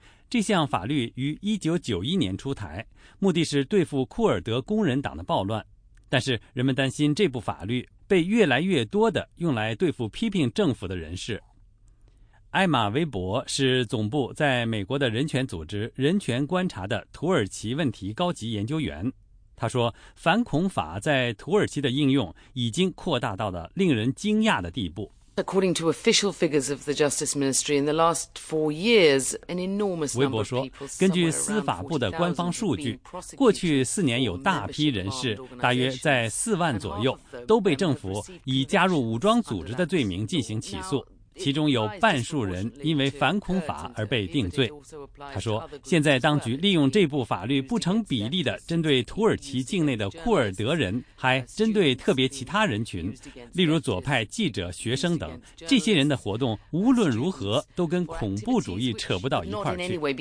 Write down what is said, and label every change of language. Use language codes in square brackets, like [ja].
[zh] 这项法律于1991年出台，目的是对付库尔德工人党的暴乱，但是人们担心这部法律被越来越多的用来对付批评政府的人士。艾玛·韦伯是总部在美国的人权组织人权观察的土耳其问题高级研究员，他说反恐法在土耳其的应用已经扩大到了令人惊讶的地步。 [en] According to official figures of the Justice Ministry, in the last four years, an enormous number of people, [zh] 根据司法部的官方数据，过去四年有大批人士，大约在40,000左右，都被政府以加入武装组织的罪名进行起诉，其中有半数人因为反恐法而被定罪。他说，现在当局利用这部法律不成比例地针对土耳其境内的库尔德人，还针对特别其他人群，例如左派记者、学生等，这些人的活动无论如何都跟恐怖主义扯不到一块去。